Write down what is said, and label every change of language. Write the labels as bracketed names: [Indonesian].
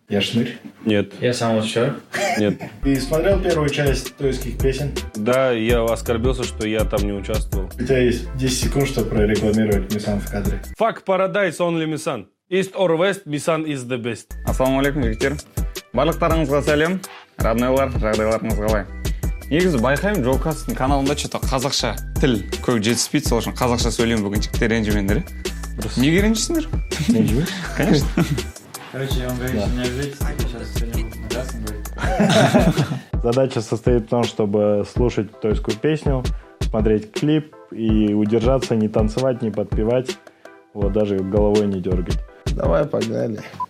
[Russian] Я шнырь? Нет. Я сам вот вчера? Нет. Ты смотрел первую часть тойских песен? Да, я оскорбился, что я там не участвовал. У тебя есть 10 секунд, чтобы прорекламировать Мисан в кадре. [English] Fuck paradise, only Мисан. East or West, Мисан is the best. [Russian] Ассаламу алейкум, Виктор. [Kazakh] Барлықтарыңызға сәлем. Роднойлар, жағдайларыңыз қалай? Негізі байқаймын, Джоу Кассастың каналында что-то қазақша тіл көп жетіспейді, сол үшін қазақша сөйлеймін бүгін, жігіттер ренжімеңдер. Неге ренжісіңдер? Ренжіме? [Russian] Конечно. Короче, он говорит, да. Что не ответит, сейчас сегодня будет. Задача состоит в том, чтобы слушать тойскую песню, смотреть клип и удержаться, не танцевать, не подпевать, вот даже головой не дергать. Давай, погнали.